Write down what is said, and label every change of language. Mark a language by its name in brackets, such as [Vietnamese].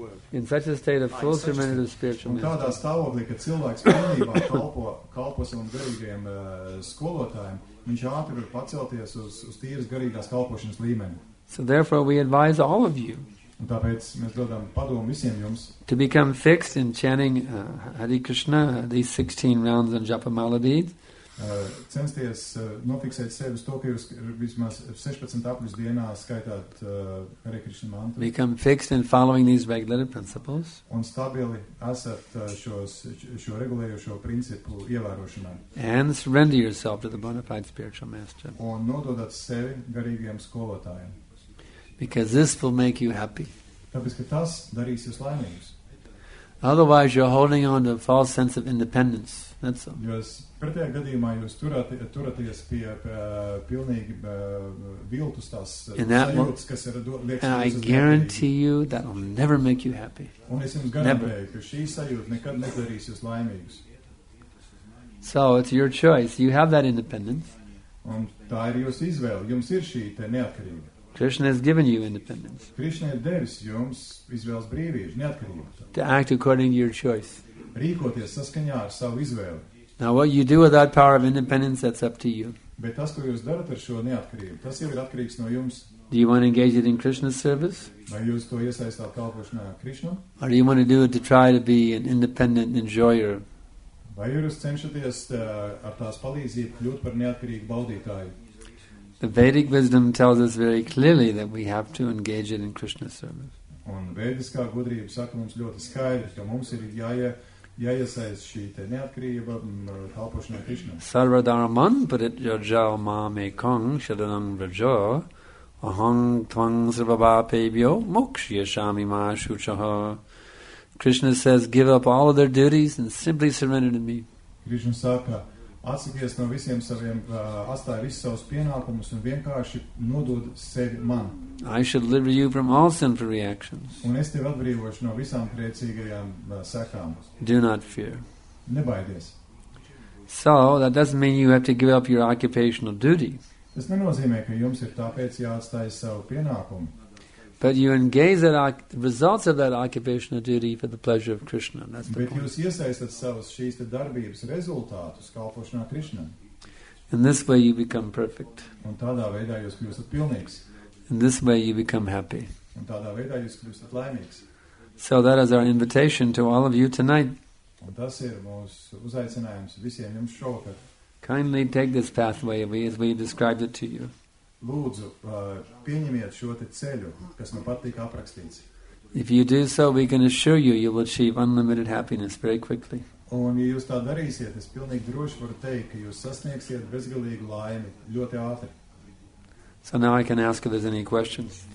[English] In such a state of full surrender to spiritual master. [Latvian] Un tādā stāvoklī, ka cilvēks pilnībā kalpo savam garīgajam skolotājam, viņš ātri var pacelties uz tīras garīgās kalpošanas līmeni. [English] So therefore we advise all of you. [Latvian] Un tāpēc mēs dodam padomu visiem jums. [English] To become fixed in chanting Hare Krishna, these 16 rounds on Japa Mala beads. [Latvian] Censties nofiksēt sevi uz to, ka jūs vismaz 16 apļus dienā skaitāt Hare Krishna mantru. [English] Become fixed in following these regulative principles. [Latvian] Un stabili esat šo regulējošo principu ievērošanā. [English] And surrender yourself to the bona fide spiritual master. [Latvian] Un nododat sevi garīgiem skolotājiem. [English] Because this will make you happy. [Latvian] Tāpēc, ka tas darīs jūs laimīgus. [English] Otherwise you're holding on to a false sense of independence. That's so. [Latvian] Jūs pretējā gadījumā jūs turaties pie pilnīgi viltus tās sajūtas, kas ir liekas. [English] And I guarantee you that will never make you happy. [Latvian] Un es jums garantēju, ka šī sajūta nekad nedarīs jūs laimīgus. [English] So it's your choice. You have that independence. [Latvian] Un tā ir jūsu izvēle. Jums ir šī te neatkarība. [English] Krishna has given you independence. [Latvian] Krishna ir devis jums izvēles brīvību, neatkarību. [English] To act according to your choice. [Latvian] Rīkoties saskaņā ar savu izvēli. [English] Now what you do with that power of independence, that's up to you. [Latvian] Bet tas, ko jūs darat ar šo neatkarību, tas jau ir atkarīgs no jums. [English] Do you want to engage it in Krishna's service? [Latvian] Vai jūs to iesaistāt kalpošanā Krishna? [English] Or do you want to do it to try to be an independent enjoyer? [Latvian] Vai jūs cenšaties ar tās palīdzību kļūt par neatkarīgu baudītāju? [English] The Vedic wisdom tells us very clearly that we have to engage it in Krishna's service. [Latvian] Un vediskā gudrība saka mums ļoti skaidri, ka mums ir jāiesaist šī te neatkarība kalpošanā Krishna. [Sanskrit] Sarva dharman parit yajau mam ekam sharanam vrajo aham tvam sarva bhavebhyo mokshyasyami ma shuchah. [English] Krishna says, give up all of their duties and simply surrender to me. [Latvian] Krishna saka, atsakies no visiem saviem, atstāj visus savus pienākumus un vienkārši nodod sevi man. [English] I should deliver you from all sinful reactions. [Latvian] Un es tevi atbrīvošu no visām priecīgajām sekām. [English] Do not fear. [Latvian] Nebaidies. [English] So, that doesn't mean you have to give up your occupational duty. [Latvian] Tas nenozīmē, ka jums ir tāpēc jāatstāj savu pienākumu. [English] But you engage the results of that occupational duty for the pleasure of Krishna. That's the [Latvian] Bet [English] point. [Latvian] Jūs iesaistat savas šīs te darbības rezultātus kalpošanā Krishna. [English] In this way you become perfect. [Latvian] Un tādā veidā jūs kļūstat pilnīgs. [English] In this way you become happy. [Latvian] Un tādā veidā jūs kļūstat laimīgs. [English] So that is our invitation to all of you tonight. [Latvian] Un tas ir mūsu uzaicinājums visiem jums šovakar. [English] Kindly take this pathway as we described it to you. [Latvian] Lūdzu, pieņemiet šo te ceļu, kas man patīk aprakstīts. [English] If you do so, we can assure you, you will achieve unlimited happiness very quickly. [Latvian] Un, ja jūs tā darīsiet, es pilnīgi droši varu teikt, ka jūs sasniegsiet bezgalīgu laimi ļoti ātri. [English] So now I can ask if there's any questions.